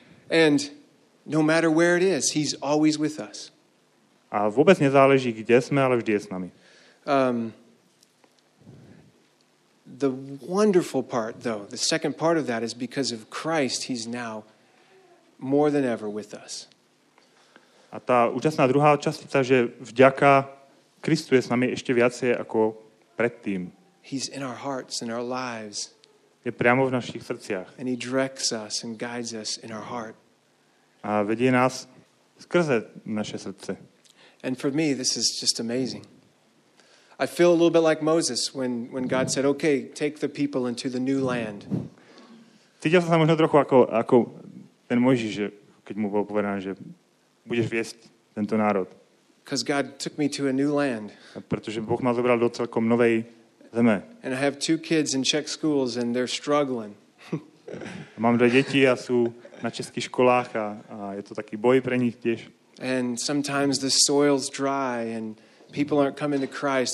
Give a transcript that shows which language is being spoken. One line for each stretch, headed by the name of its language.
English: And no matter where it is, he's always with us.
Slovak: A vôbec nezáleží, kde sme, ale vždy je s nami.
English: The wonderful part, though, the second part of that is because of Christ, he's now more than ever with us.
Slovak: A tá úžasná druhá častica, že vďaka Kristu je s nami ešte viacej ako predtým.
English: He's in our hearts and our lives.
Slovak: je priamo v našich srdciach.
English: And he directs us and guides us in our heart.
Slovak: A vedie nás skrze naše srdce.
English: And for me this is just amazing. I feel a little bit like Moses when God said, "Okay, take the people into the new land."
Slovak: Cítil som sa možno trochu ako ten Mojžiš, že keď mu bolo povedané, že budeš viesť tento národ.
English: Because God took me to a new land.
Slovak: Pretože Boh ma zobral do celkom novej zeme.
English: And I have two kids in Czech schools and they're struggling.
Slovak: Mám dve deti a sú na českých školách a je to taký boj pre nich tiež.
English: And sometimes the soil's dry and people aren't coming to Christ.